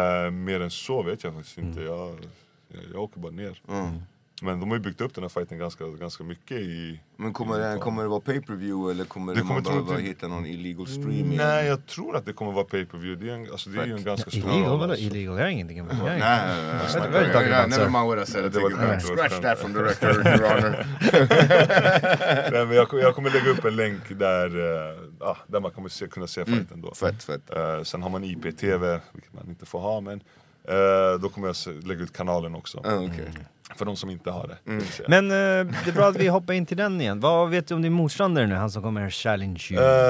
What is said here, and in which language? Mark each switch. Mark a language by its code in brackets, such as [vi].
[sv] Mer än så vet jag faktiskt inte, jag åker bara ner. Men de har ju byggt upp den här fighten ganska mycket i... Men kommer det vara pay-per-view eller kommer det man bara hitta någon illegal streaming? Nej, jag tror att det kommer vara pay-per-view. Det är, det är ju en ganska stor... Illegal? Vadå illegal? Jag har ingenting med det. Nej. [en] Never mind what I said. Scratch that from the record, your honor. [sv] Nej, men jag kommer lägga upp en länk där man kommer kunna se fighten då. Fett. Sen har man IPTV, vilket man inte får ha, men då kommer jag lägga ut kanalen också. Okej. För de som inte har det. Men det är bra att vi hoppar in till den igen. Vad vet du om din motståndare nu? Han som kommer att [en] challenge you.